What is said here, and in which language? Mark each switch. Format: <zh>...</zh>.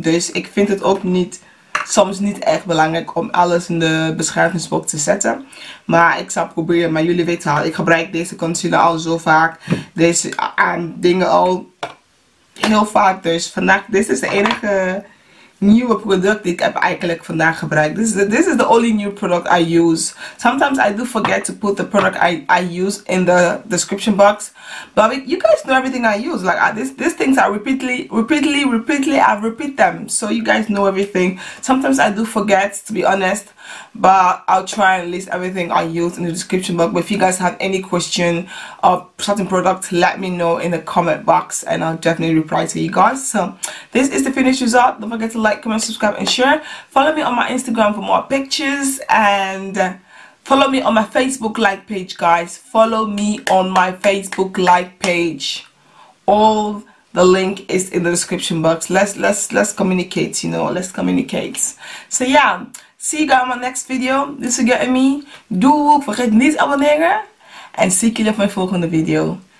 <nl>Dus ik vind het ook niet. Soms niet echt belangrijk om alles in de beschrijvingsbox te zetten. Maar ik zal proberen. Maar jullie weten al, ik gebruik deze concealer al zo vaak. Deze dingen al heel vaak. Dus vandaag, dit is de enige nieuwe product die ik heb eigenlijk vandaag gebruikt.</nl> <en>This is the only new product I use. Sometimes I do forget to put the product I use in the description box. But you guys know everything I use. Like these things are repeatedly, I repeat them. So you guys know everything. Sometimes I do forget, to be honest. But I'll try and list everything I use in the description box. But if you guys have any question of certain products, let me know in the comment box and I'll definitely reply to you guys. So this is the finished result. Don't forget to like, comment, subscribe and share. Follow me on my Instagram for more pictures and follow me on my Facebook like page, guys. Follow me on my Facebook like page. All the link is in the description box. Let's communicate, you know, let's communicate. So yeah, see you guys in my next video. This is Ami. Doeg!</en> <nl>Vergeet niet te abonneren. En zie ik jullie op mijn volgende video.</nl>